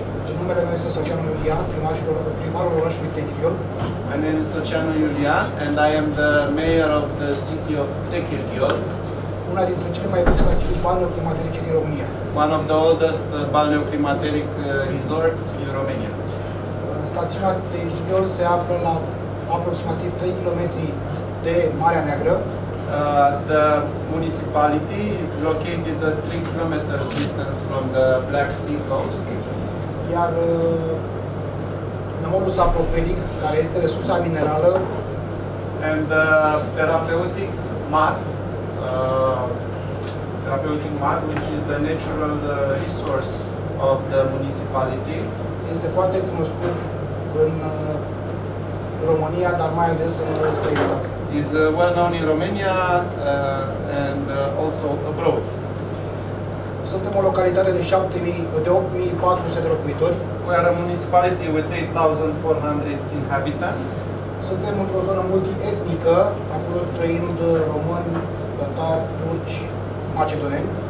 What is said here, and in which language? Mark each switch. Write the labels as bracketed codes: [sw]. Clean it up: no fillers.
[ro] În numele meu este Socianu Iulian, primarul orașului Techirghiol. [en] My name is Socianu Iulian and I am the mayor of the city of Techirghiol. [ro] Una dintre cele mai vechi stații balneoclimaterice din România. [en] One of the oldest balneoclimateric resorts in Romania. [ro] Stațiunea Techirghiol se află la aproximativ 3 km de Marea Neagră. [en] The municipality is located at 3 kilometers distance from the Black Sea coast. [ro] Iar numărul sapropelic, care este resursa minerală, [en] and the therapeutic mud, which is the natural resource of the municipality, [ro] este foarte cunoscut în România, dar mai ales în străinătate. [en] Is well known in Romania and also abroad. [ro] Suntem o localitate de 8400 de locuitori. [en] We are a municipality with 8400 inhabitants. [ro] Suntem într-o zonă multietnică, acolo trăind români, tatari, turci, macedoneni.